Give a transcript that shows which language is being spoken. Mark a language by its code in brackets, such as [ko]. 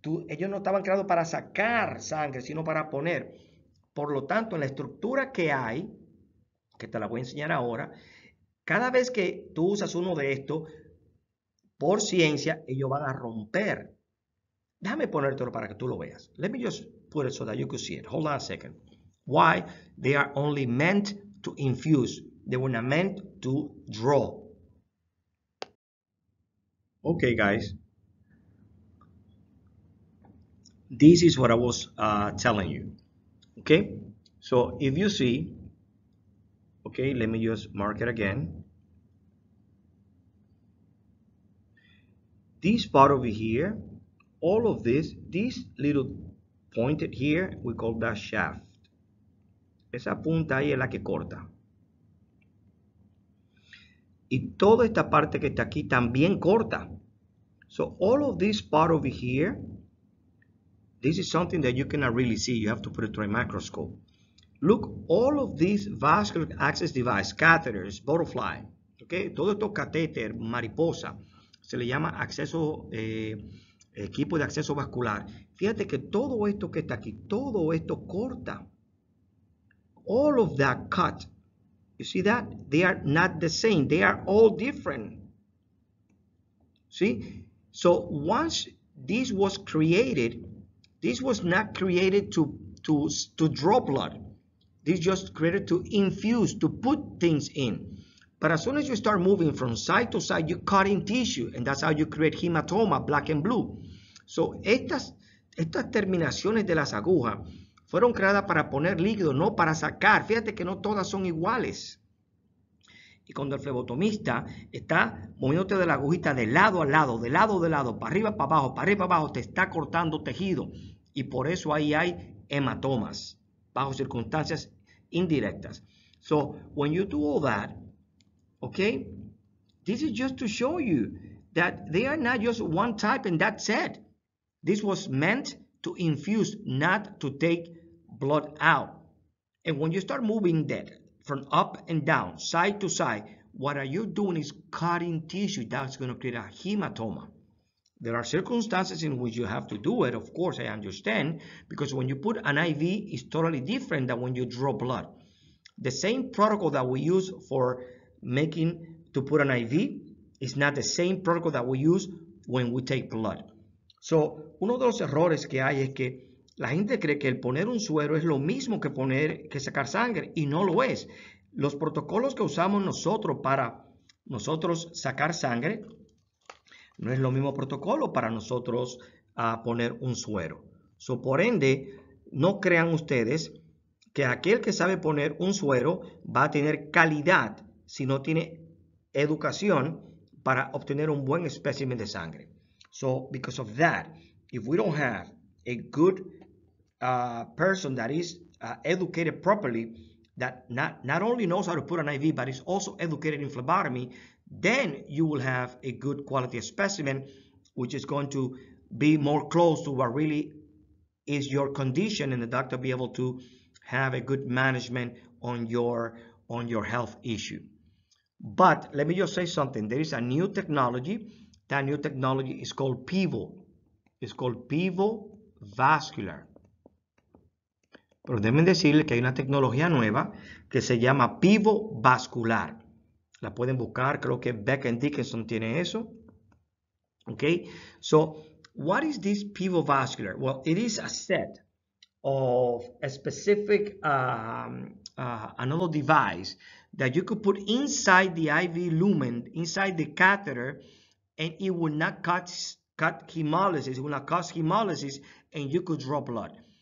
[es] Ellos no estaban creados para sacar sangre, sino para poner. Por lo tanto, en la estructura que hay, que te la voy a enseñar ahora, cada vez que tú usas uno de estos, por ciencia, ellos van a romper. Déjame ponértelo para que tú lo veas. [en] Let me just put it so that you could see it. Hold on a second. Why? They are only meant to infuse. They were not meant to draw. Okay, guys. This is what I was telling you. Okay? So if you see, okay, let me just mark it again. This part over here, all of this little pointed here, we call that shaft. [es] Esa punta ahí es la que corta. Y toda esta parte que está aquí también corta. [en] So all of this part over here, this is something that you cannot really see. You have to put it through a microscope. Look, all of these vascular access device, catheters, butterfly, okay? Todo esto catéter, mariposa, se le llama acceso, equipo de acceso vascular. Fíjate que todo esto que está aquí, todo esto corta. All of that cut. You see that? They are not the same. They are all different. See? So once this was created, this was not created to draw blood. This just created to infuse, to put things in. But as soon as you start moving from side to side, you're cutting tissue, and that's how you create hematoma, black and blue. [es] So estas terminaciones de las agujas fueron creadas para poner líquido, no para sacar. Fíjate que no todas son iguales. Y cuando el flebotomista está moviéndote de la agujita de lado a lado, de lado a lado, para arriba, para abajo, para arriba, para abajo, te está cortando tejido. Y por eso ahí hay hematomas, bajo circunstancias indirectas. [en] So, when you do all that, okay, this is just to show you that they are not just one type and that's it. This was meant to infuse, not to take blood out. And when you start moving that from up and down, side to side, what are you doing is cutting tissue. That's going to create a hematoma. There are circumstances in which you have to do it, of course, I understand, because when you put an IV, it's totally different than when you draw blood. The same protocol that we use for making to put an IV is not the same protocol that we use when we take blood. [es] So, uno de los errores que hay es que la gente cree que el poner un suero es lo mismo que poner que sacar sangre, y no lo es. Los protocolos que usamos nosotros para nosotros sacar sangre no es lo mismo protocolo para nosotros poner un suero. So, por ende, no crean ustedes que aquel que sabe poner un suero va a tener calidad si no tiene educación para obtener un buen espécimen de sangre. [en] So, because of that, if we don't have a good person that is educated properly, that not only knows how to put an IV, but is also educated in phlebotomy, then you will have a good quality specimen, which is going to be more close to what really is your condition, and the doctor be able to have a good management on your health issue. But let me just say something. There is a new technology. That new technology is called PIVO. It's called PIVO Vascular. [es] Pero déjenme decirle que hay una tecnología nueva que se llama PIVO Vascular. La pueden buscar. Creo que Beck and Dickinson tiene eso. Okay. [en] So, what is this PIVO Vascular? Well, it is a set of a specific another device that you could put inside the IV lumen, inside the catheter, and it will not cut hemolysis, it will not cause hemolysis, and you could draw blood.